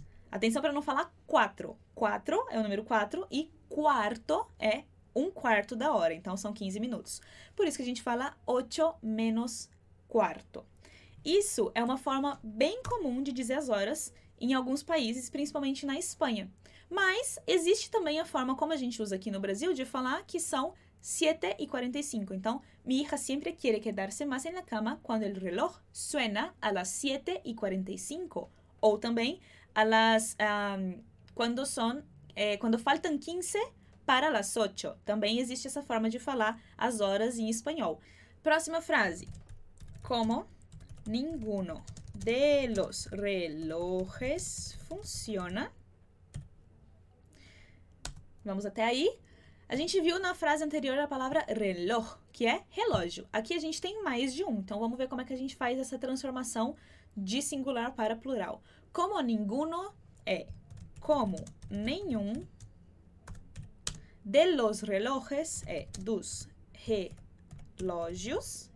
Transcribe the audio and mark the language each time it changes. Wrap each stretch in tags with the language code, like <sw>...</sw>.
<pt>Atenção para não falar 4. 4 é o número 4 e quarto é um quarto da hora, então são 15 minutos. Por isso que a gente fala 8 menos quarto. Isso é uma forma bem comum de dizer as horas em alguns países, principalmente na Espanha. Mas existe também a forma como a gente usa aqui no Brasil de falar que são 7 e 45. Então,</pt> <es>mi hija siempre quiere quedarse más en la cama cuando el reloj suena a las 7 y 45.</es> <pt>Ou também a las, quando son. É, quando faltam 15 para las 8. Também existe essa forma de falar as horas em espanhol. Próxima frase.</pt> <es>Como ninguno de los relojes funciona?</es> <pt>Vamos até aí. A gente viu na frase anterior a palavra reloj, que é relógio. Aqui a gente tem mais de um. Então vamos ver como é que a gente faz essa transformação de singular para plural. Como ninguno é. Como nenhum de los relojes é dos relógios.</pt>